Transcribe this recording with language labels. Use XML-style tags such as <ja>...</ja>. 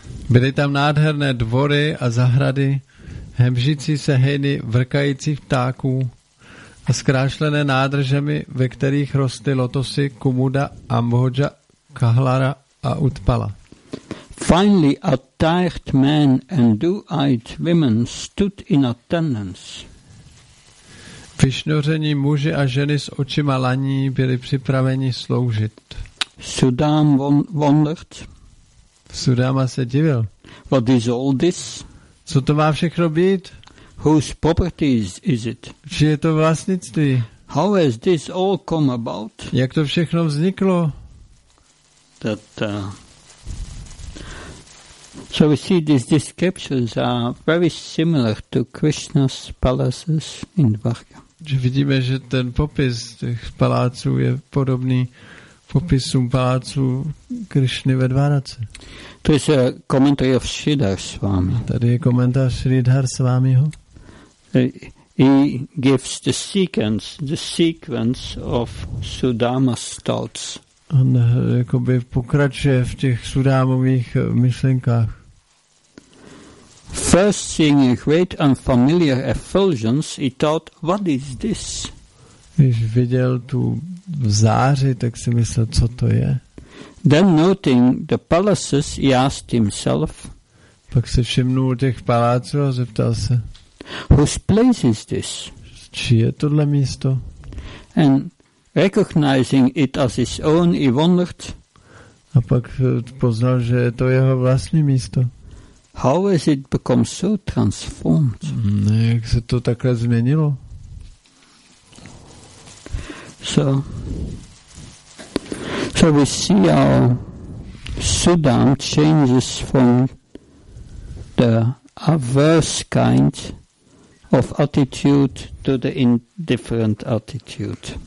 <cs>Byly tam nádherné dvory a zahrady, hemžící se hejny vrkajících ptáků a zkrášlené nádržemi, ve kterých rostly lotosy Kumuda, Amboja, Kahlara a Utpala.</cs> <en>Finally, attired men and dew-eyed women stood in attendance.</en> <cs>Vyšnoření muži a ženy s očima laní byli připraveni sloužit.</cs> <en>Sudama wondered.</en> <cs>Sudama se divil.</cs> <en>What is all this?</en> <cs>Co to má všechno být?</cs> <en>Whose property is it?</en> <cs>Čí je to vlastnictví?</cs> <en>How has this all come about?</en> <cs>Jak to všechno vzniklo?</cs> <en>So we see these descriptions are very similar to Krishna's palaces in Dvarka.</en> <cs>Že vidíme, že ten popis těch paláců je podobný popisům paláců Krishny ve Dvarce. To je</cs> <en>commentary of Sridhar Swami.</en> <cs>Tady je komentář Sridhar Swamiho.</cs> <en>He gives the sequence of Sudama's thoughts.</en> <cs>On jakoby pokračuje v těch Sudámových myšlenkách.</cs> <en>First seeing a great unfamiliar effulgence, he thought, what is this?</en> <cs>Když viděl tu záři, tak si myslel, co to je.</cs> <en>Then noting the palaces, he asked himself.</en> <cs>Pak se všimnul těch paláců a zeptal se.</cs> <en>Whose place is this?</en> <cs>Čí je tohle místo?</cs> <en>And recognizing it as his own, he wondered.</en> <cs>A pak poznal, že je to jeho vlastní místo.</cs> <en>How has it become so transformed?</en> <cs>Jak se to takhle změnilo?</cs> <en>So we see how Sudam changes from the averse kind of attitude to the indifferent attitude.</en>